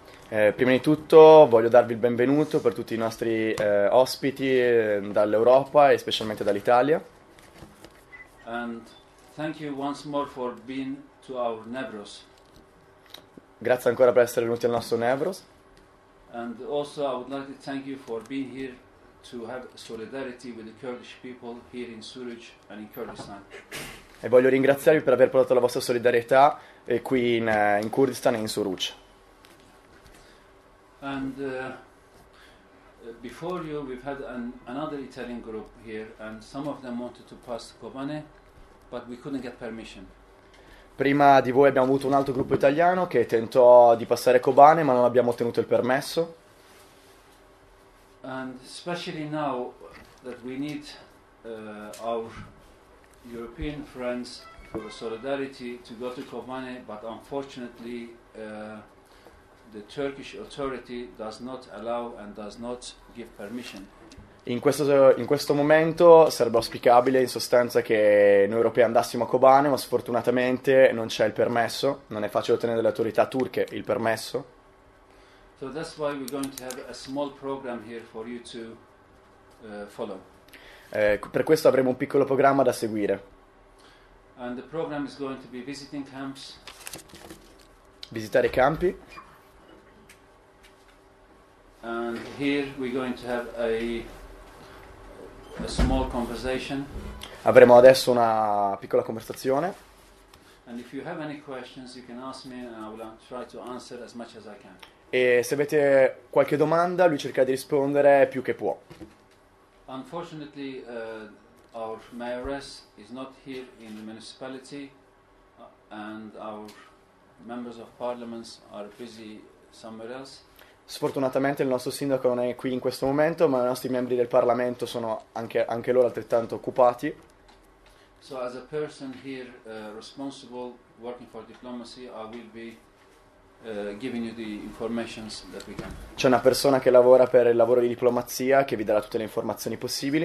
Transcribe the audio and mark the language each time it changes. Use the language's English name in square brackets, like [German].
[Italian] Prima di tutto voglio darvi il benvenuto per tutti i nostri ospiti dall'Europa e specialmente dall'Italia. [English] And thank you once more for being to our Nevros. [Italian] Grazie ancora per essere venuti al nostro Nevros. [English] And also I would like to thank you for being here to have solidarity with the Kurdish people here in Suruç and in Kurdistan. [Italian] E voglio ringraziarvi per aver portato la vostra solidarietà qui in Kurdistan e in Suruç. [English] And before you, we've had another Italian group here, and some of them wanted to pass Kobane, but we couldn't get permission. [Italian] Prima di voi abbiamo avuto un altro gruppo italiano che tentò di passare Kobane, ma non abbiamo ottenuto il permesso. [English] And especially now that we need our European friends for solidarity to go to Kobane, but unfortunately, the Turkish authority does not allow and does not give permission. [Italian] In questo momento sarebbe auspicabile in sostanza che noi europei andassimo a Kobane, ma sfortunatamente non c'è il permesso, non è facile ottenere dalle autorità turche il permesso. [English] So that's why we're going to have a small program here for you to follow. [Italian] Per questo avremo un piccolo programma da seguire. [English] And the program is going to be visiting camps. [Italian] Visitare i campi. [English] And here we're going to have a small conversation. [Italian] Avremo adesso una piccola conversazione. [English] And if you have any questions, you can ask me and I will try to answer as much as I can. [Italian] E se avete qualche domanda, lui cercherà di rispondere più che può. [English] Unfortunately, our mayoress is not here in the municipality, and our members of parliaments are busy somewhere else. [Italian] Sfortunatamente il nostro sindaco non è qui in questo momento, ma i nostri membri del Parlamento sono anche loro altrettanto occupati. [English] So as a person here responsible working for diplomacy, I will be giving you the information that we can. [Italian] C'è una persona che lavora per il lavoro di diplomazia che vi darà tutte le informazioni possibili.